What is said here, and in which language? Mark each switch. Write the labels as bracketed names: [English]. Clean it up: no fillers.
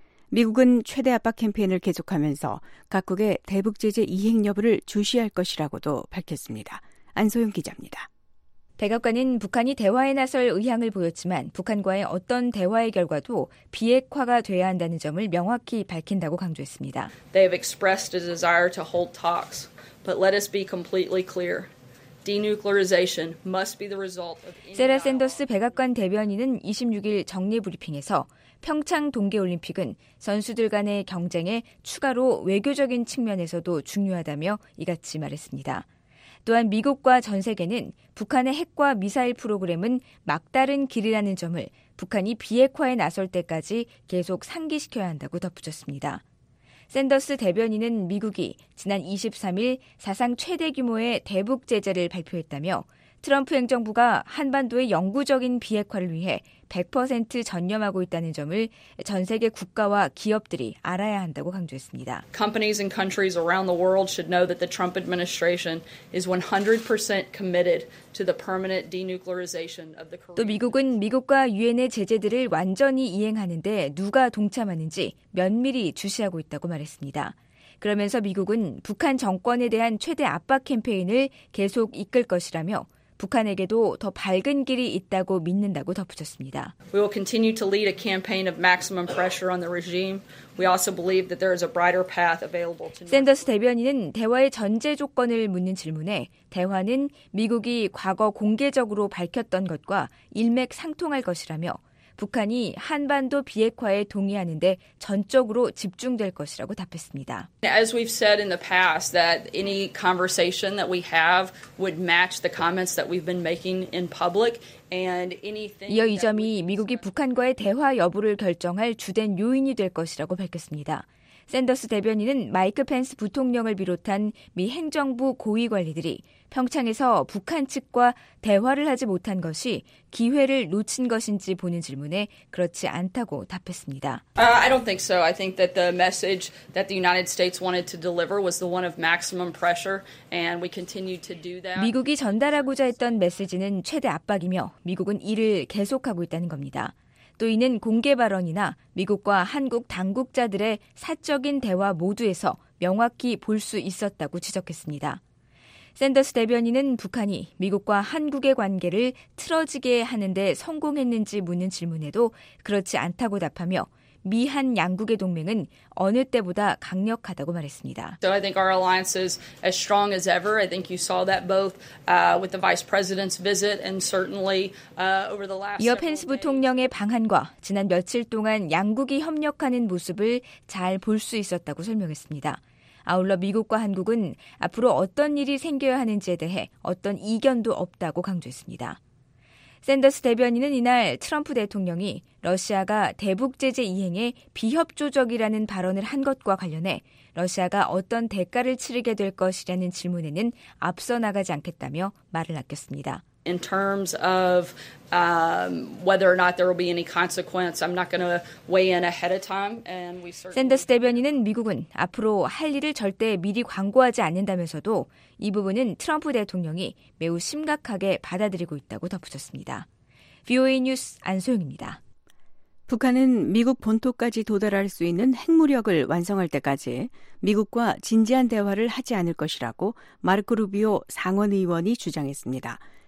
[Korean] 미국은 최대 압박 캠페인을 계속하면서 각국의 대북 제재 이행 여부를 주시할 것이라고도 밝혔습니다. 안소영 기자입니다. 백악관은 북한이 대화에 나설 의향을 보였지만 북한과의 어떤 대화의 결과도 비핵화가 돼야 한다는 점을 명확히 밝힌다고 강조했습니다. [English] They have expressed a desire to hold talks, but let us be completely clear. Denuclearization must be the result of. [Korean] 세라 샌더스 백악관 대변인은 26일 정례 브리핑에서 평창 동계올림픽은 선수들 간의 경쟁에 추가로 외교적인 측면에서도 중요하다며 이같이 말했습니다. 또한 미국과 전 세계는 북한의 핵과 미사일 프로그램은 막다른 길이라는 점을 북한이 비핵화에 나설 때까지 계속 상기시켜야 한다고 덧붙였습니다. 샌더스 대변인은 미국이 지난 23일 사상 최대 규모의 대북 제재를 발표했다며 트럼프 행정부가 한반도의 영구적인 비핵화를 위해 100% 전념하고 있다는 점을 전 세계 국가와 기업들이 알아야 한다고 강조했습니다. [English] Companies and countries around the world should know that the Trump administration is 100% committed to the permanent denuclearization of the Korean. [Korean] 또 미국은 미국과 유엔의 제재들을 완전히 이행하는데 누가 동참하는지 면밀히 주시하고 있다고 말했습니다. 그러면서 미국은 북한 정권에 대한 최대 압박 캠페인을 계속 이끌 것이라며 북한에게도 더 밝은 길이 있다고 믿는다고 덧붙였습니다. [English] We will continue to lead a campaign of maximum pressure on the regime. We also believe that there is a brighter path available to. [Korean] 샌더스 대변인은 대화의 전제 조건을 묻는 질문에 대화는 미국이 과거 공개적으로 밝혔던 것과 일맥상통할 것이라며 북한이 한반도 비핵화에 동의하는 데 전적으로 집중될 것이라고 답했습니다. [English] As we've said in the past that any conversation that we have would match the comments that we've been making in public and anything. [Korean] 이어 이 점이 미국이 북한과의 대화 여부를 결정할 주된 요인이 될 것이라고 밝혔습니다. 샌더스 대변인은 마이크 펜스 부통령을 비롯한 미 행정부 고위 관리들이 평창에서 북한 측과 대화를 하지 못한 것이 기회를 놓친 것인지 보는 질문에 그렇지 않다고 답했습니다. [English] I don't think so. I think that the message that the United States wanted to deliver was the one of maximum pressure and we continue to do that. [Korean] 미국이 전달하고자 했던 메시지는 최대 압박이며 미국은 이를 계속하고 있다는 겁니다. 또 이는 공개 발언이나 미국과 한국 당국자들의 사적인 대화 모두에서 명확히 볼 수 있었다고 지적했습니다. 샌더스 대변인은 북한이 미국과 한국의 관계를 틀어지게 하는 데 성공했는지 묻는 질문에도 그렇지 않다고 답하며 미한 양국의 동맹은 어느 때보다 강력하다고 말했습니다. [English] So I think our alliance is as strong as ever. I think you saw that both with the vice president's visit and certainly over the last. [Korean] 이어 펜스 부통령의 방한과 지난 며칠 동안 양국이 협력하는 모습을 잘 볼 수 있었다고 설명했습니다. 아울러 미국과 한국은 앞으로 어떤 일이 생겨야 하는지에 대해 어떤 이견도 없다고 강조했습니다. 샌더스 대변인은 이날 트럼프 대통령이 러시아가 대북 제재 이행에 비협조적이라는 발언을 한 것과 관련해 러시아가 어떤 대가를 치르게 될 것이라는 질문에는 앞서 나가지 않겠다며 말을 아꼈습니다. [English] In terms of whether or not there will be any consequence, I'm not going to weigh in ahead of time. And we certainly. [Korean] 샌더스 대변인은 미국은 앞으로 할 일을 절대 미리 광고하지 않는다면서도 이 부분은 트럼프 대통령이 매우 심각하게 받아들이고 있다고 덧붙였습니다. VOA 뉴스 안소영입니다. 북한은 미국 본토까지 도달할 수 있는 핵무력을 완성할 때까지 미국과 진지한 대화를 하지 않을 것이라고 마르코 루비오 상원의원이 주장했습니다.